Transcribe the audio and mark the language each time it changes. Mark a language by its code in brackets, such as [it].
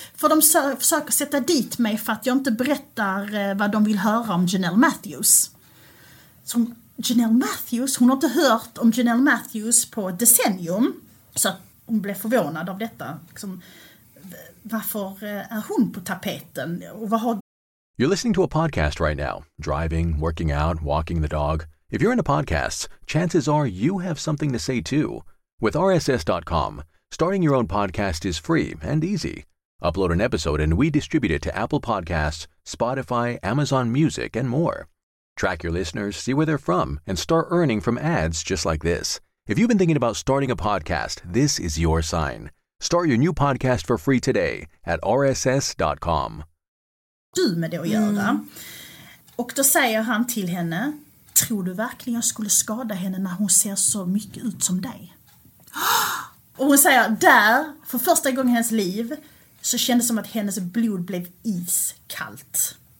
[sv] För de försöker sätta dit mig för att jag inte berättar vad de vill höra om Janelle Matthews. Så Janelle Matthews, hon har inte hört om Janelle Matthews på decennium. Så hon blev förvånad av detta. Liksom, varför är hon på tapeten? Och vad har... [en] You're listening to a podcast right now. Driving, working out, walking the dog. If you're into podcasts, chances are you have something to say too. With RSS.com, starting your own podcast is free and easy. upload an episode, and we distribute it to Apple Podcasts, Spotify, Amazon Music, and more. Track your listeners, see where they're from, and start earning from ads just like this. If you've been thinking about starting a podcast, this is your sign. Start your new podcast for free today at rss.com. [sv] Du med det att göra. Mm. Och då säger han till henne, tror du verkligen jag skulle skada henne när hon ser så mycket ut som dig? Och hon säger, där, för första gången i hennes liv, så kändes som att hennes blod blev iskallt.